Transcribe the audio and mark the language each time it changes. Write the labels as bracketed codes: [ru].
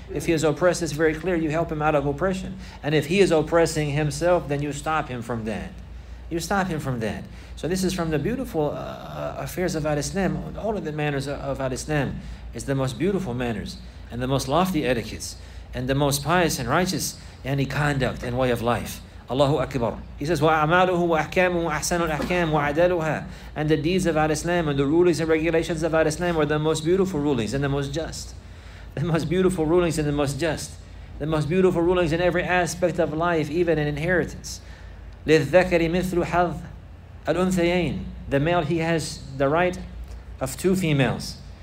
[en] If he is oppressed, it's very clear, you help him out of oppression. And if he is oppressing himself, then you stop him from that. You stop him from that. So this is from the beautiful affairs of al-Islam. All of the manners of al-Islam is the most beautiful manners and the most lofty etiquettes and the most pious and righteous any conduct and way of life. Allahu Akbar. He says, [ar] وَأَعْمَالُهُ وَأَحْكَامُهُ أَحْسَنُ الْأَحْكَامُ وَعَدَلُهَا. [en] And the deeds of al-Islam and the rulings and regulations of al-Islam are the most beautiful rulings and the most just. The most beautiful rulings and the most just. The most beautiful rulings in every aspect of life, even in inheritance. [ar] لِلذَّكَرِ مِثْلُ حَظْ الْأُنْثَيَيْنِ. [en] The male, he has the right of two females.